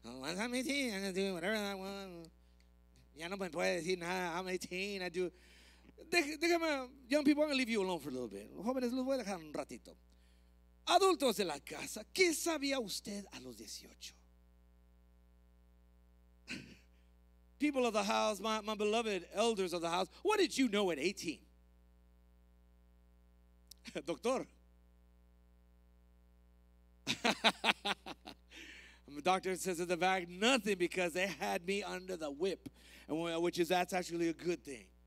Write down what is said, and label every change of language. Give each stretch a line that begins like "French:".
English: Once I'm 18, I'm going to do whatever I want.
Spanish: Ya no me puede decir nada,
English: I'm 18, I do.
Spanish: Déjame,
English: young people, I'm going to leave you alone for a little bit.
Spanish: Jóvenes, los voy a dejar un ratito. Adultos de la casa, ¿qué sabía usted a los 18?
English: People of the house, my beloved elders of the house, what did you know at 18? Doctor. The doctor says in the back, nothing, because they had me under the whip, which is, that's actually a good thing.